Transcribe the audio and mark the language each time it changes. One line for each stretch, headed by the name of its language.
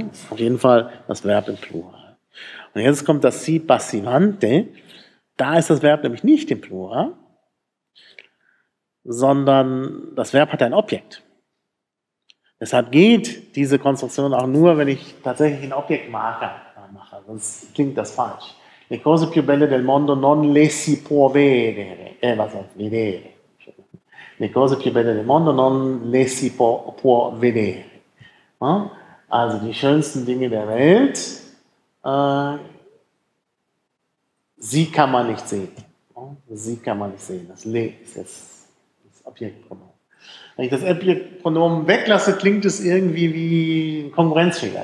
German: Auf jeden Fall das Verb im Plural. Und jetzt kommt das si passivante. Da ist das Verb nämlich nicht im Plural, sondern das Verb hat ein Objekt. Deshalb geht diese Konstruktion auch nur, wenn ich tatsächlich einen Objektmarker mache, sonst klingt das falsch.
Italian: Le cose più belle del mondo non le si può vedere. Vedere. Le cose più belle del mondo non le si può vedere.
German: Also die schönsten Dinge der Welt, sie kann man nicht sehen. Sie kann man nicht sehen. Das Le ist jetzt Objektpronomen. Wenn ich das Objektpronomen weglasse, klingt es irgendwie wie ein Konkurrenzfehler.